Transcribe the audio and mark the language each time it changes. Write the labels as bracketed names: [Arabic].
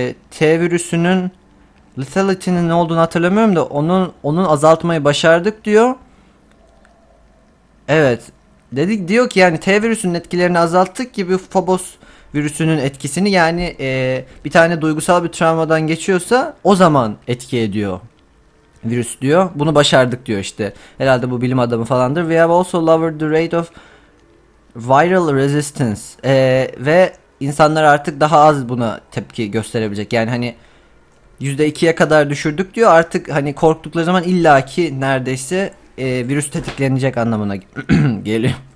[Turkish] T virüsünün lethality'nin ne olduğunu hatırlamıyorum da onun azaltmayı başardık diyor. Evet. Diyor ki yani T virüsünün etkilerini azalttık gibi Phobos virüsünün etkisini yani bir tane duygusal bir travmadan geçiyorsa o zaman etki ediyor virüs diyor. Bunu başardık diyor işte. Herhalde bu bilim adamı falandır. [English] We have also lowered the rate of viral resistance. [Turkish] Ve insanlar artık daha az buna tepki gösterebilecek. Yani hani %2'ye kadar düşürdük diyor. Artık hani korktukları zaman illaki neredeyse virüs tetiklenecek anlamına geliyor.